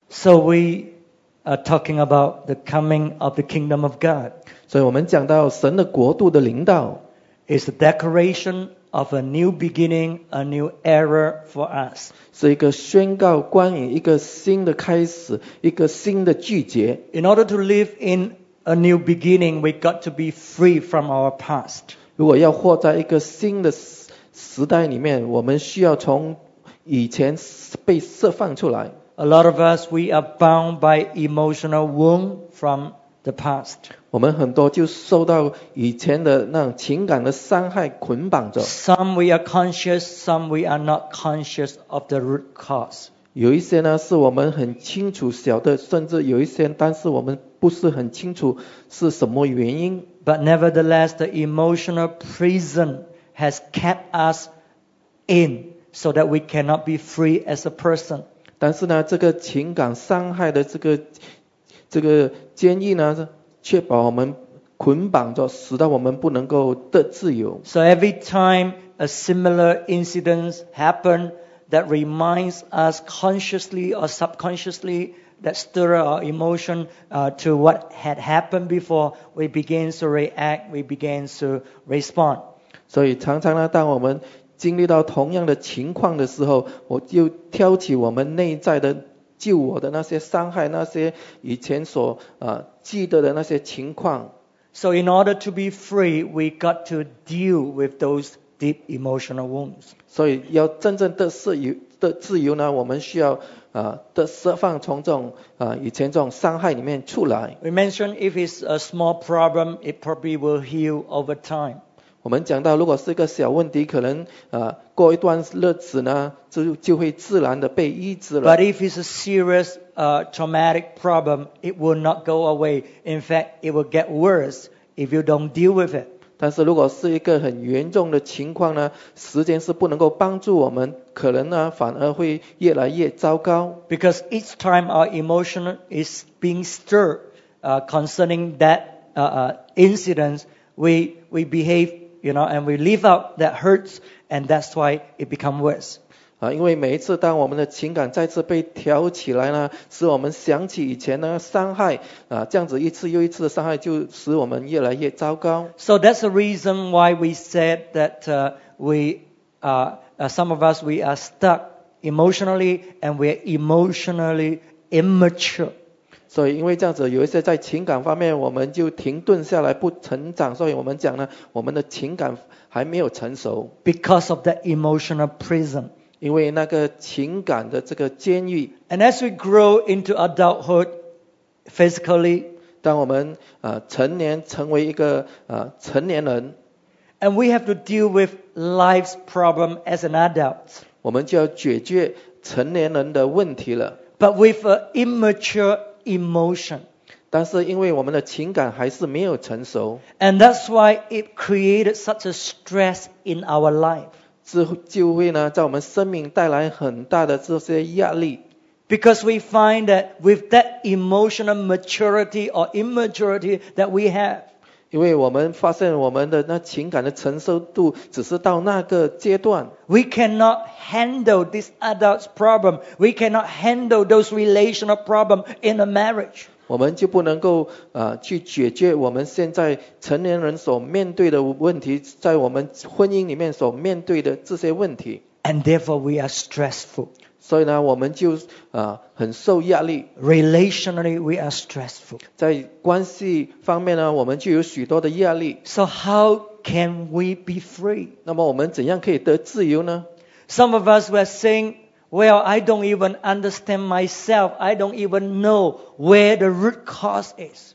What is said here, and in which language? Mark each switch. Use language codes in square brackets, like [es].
[en] So we are talking about the coming of the kingdom of God. [zh] 所以我们讲到神的国度的临到。 [en] It's a declaration of a new beginning, a new era for us. [zh] 是一个宣告关于一个新的开始，一个新的季节。 [en] In order to live in a new beginning, we got to be free from our past. [zh] 如果要活在一个新的时代里面，我们需要从以前被释放出来。 [en] A lot of us, we are bound by emotional wound from the past. [zh] 我们很多就受到以前的那种情感的伤害捆绑着。 [en] Some we are conscious, some we are not conscious of the root cause. [zh] 有一些呢是我们很清楚晓得，甚至有一些但是我们不是很清楚是什么原因。 [en] But nevertheless, the emotional prison has kept us in so that we cannot be free as a person. [zh] 但是呢这个情感伤害的这个监狱呢却把我们捆绑着，使得我们不能够得自由。 [en] So every time a similar incident happens that reminds us consciously or subconsciously that stir our emotion to what had happened before, we begin to react, we begin to respond. [zh] 所以常常呢当我们经历到同样的情况的时候，我就挑起我们内在的救我的那些伤害，那些以前所记得的那些情况。 [en] So in order to be free, we got to deal with those deep emotional wounds. [zh] 所以要真正的自由呢，我们需要的释放从这种以前这种伤害里面出来。 [en] We mentioned if it's a small problem, it probably will heal over time. [zh] 我们讲到如果是一个小问题，可能过一段日子呢 就会自然的被医治了。 [en] But if it's a serious traumatic problem, it will not go away. In fact, it will get worse if you don't deal with it. [zh] 但是如果是一个很严重的情况呢，时间是不能够帮助我们，可能呢反而会越来越糟糕。 [en] Because each time our emotion is being stirred concerning that incident, we behave, you know, and we leave out that hurts, and that's why it become worse. [zh] 因为每一次当我们的情感再次被挑起来呢，使我们想起以前的伤害，这样子一次又一次的伤害就使我们越来越糟糕。 [en] So that's the reason why we said that some of us, we are stuck emotionally, and we're emotionally immature. [zh] 所以因为这样子有一些在情感方面我们就停顿下来不成长，所以我们讲呢我们的情感还没有成熟。 [en] Because of that emotional prison. [zh] 因为那个情感的这个监狱。 [en] And as we grow into adulthood physically, [zh] 当我们成年成为一个成年人。 [en] And we have to deal with life's problem as an adult. [zh] 我们就要解决成年人的问题了。 [en] But with an immature emotion. [zh] 但是因为我们的情感还是没有成熟。 [en] And that's why it created such a stress in our life. [zh] 就会呢在我们生命带来很大的这些压力。 [en] Because we find that with that emotional maturity or immaturity that we have, [zh] 因为我们发现我们的那情感的承受度只是到那个阶段。 [en] We cannot handle this adult's problem. We cannot handle those relational problems in a marriage. [zh] 我们就不能够去解决我们现在成年人所面对的问题，在我们婚姻里面所面对的这些问题。 [en] And therefore we are stressful. [zh] 所以呢我们就很受压力。 [en] Relationally, we are stressful. [zh] 在关系方面呢我们就有许多的压力。 [en] So how can we be free? [zh] 那么我们怎样可以得自由呢？ [en] Some of us were saying, well, I don't even understand myself. I don't even know where the root cause is.